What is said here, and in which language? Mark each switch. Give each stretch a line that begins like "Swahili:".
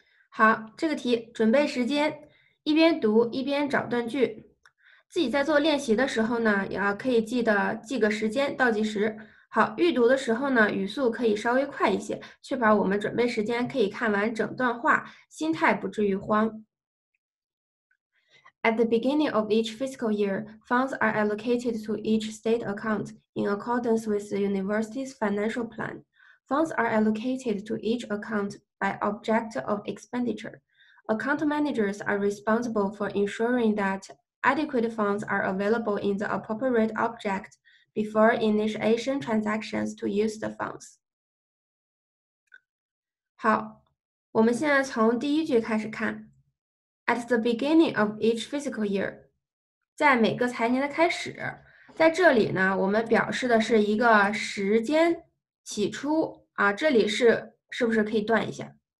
Chinese: 好，这个题准备时间，一边读一边找断句，自己在做练习的时候呢，也要可以记得记个时间倒计时。好，预读的时候呢，语速可以稍微快一些，确保我们准备时间可以看完整段话，心态不至于慌。
English: At the beginning of each fiscal year, funds are allocated to each state account in accordance with the university's financial plan. Funds are allocated to each account by object of expenditure. Account managers are responsible for ensuring that adequate funds are available in the appropriate object before initiation transactions to use the funds.
Chinese: 好，我们现在从第一句开始看。
English: At the beginning of each fiscal year，
Chinese: 在每个财年的开始，在这里呢，我们表示的是一个时间起初啊，这里是不是可以断一下？